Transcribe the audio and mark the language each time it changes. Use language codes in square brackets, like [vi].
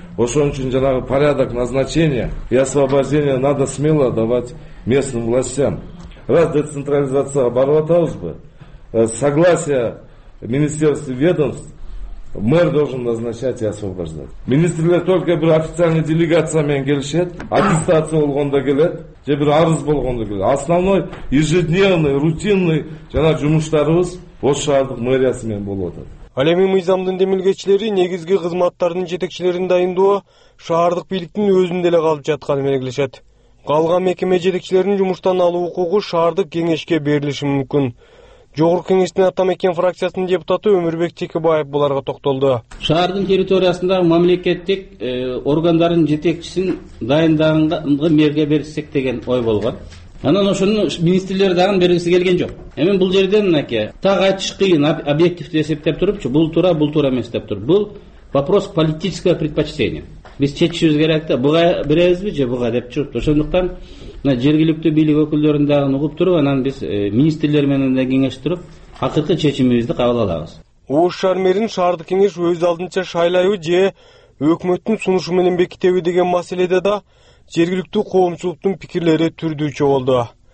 [ky] Ошон үчүн жанагы [ru] порядок назначения и освобождение надо смело давать местным властям. [ky] Раз децентрализацияга барып атабызбы? [ru] Согласие министерств и ведомств. Мэр должен назначать и освобождать. [ky] Министрлер только бир официальный делегация менен келишет, аттестация болгондо келет, же бир арыз болгондо келет. [ru] Основной ежедневный, рутинный [ky] жана жумуштарыбыз Ош шаардык мэриясы менен болуп атат. Ал эми мыйзамдын демилгечилери негизги кызматтардын жетекчилерин дайындоо шаардык бийликтин өзүндө эле калып жатканын белгилешет. Калган мекеме жетекчилеринин жумуштан алуу укугу шаардык кеңешке берилиши мүмкүн. Жогорку кеңештин ата мекен фракциясынын депутаты Өмүрбек Текебаев буларга токтолду. Шаардын территориясындагы мамлекеттик органдардын жетекчисин дайындаганга мэрге берсек деген ой болгон. Анан ошону министрлер дагы бергиси келген жок. Эми бул жерден мынакей так айтыш кыйын, объективдүү эсептеп турупчу, бул туура эмес деп туруп. Бул [ru] вопрос политического предпочтения. [ky] Биз чечишибиз керек да, буга беребизби же буга деп туруп. Ошондуктан мына жергиликтүү бийлик өкүлдөрүн дагы угуп туруп, анан биз министрлер менен да кеңештирип, акыркы чечимибизди кабыл алабыз. Ош шаар мэрин шаардык кеңеш өз алдынча шайлайбы же өкмөттүн сунушу менен бекитеби деген маселеде да жергиликтүү коомчулуктун пикирлери түрдүүчү болду.